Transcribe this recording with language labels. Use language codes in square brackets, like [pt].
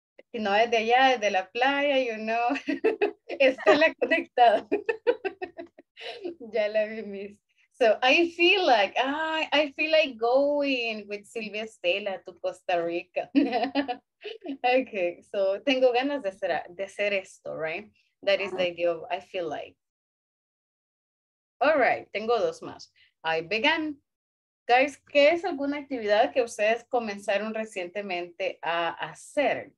[es] Si no es de allá, es de la playa, you know. Está la conectada. Ya la vi, Miss. [en] So I feel like going with Silvia Estela to Costa Rica. [es] Okay, so tengo ganas de hacer esto, right? [en] That is the idea of I feel like. All right, [es] tengo dos más. [en] I began. [es] Guys, ¿qué es alguna actividad que ustedes comenzaron recientemente a hacer?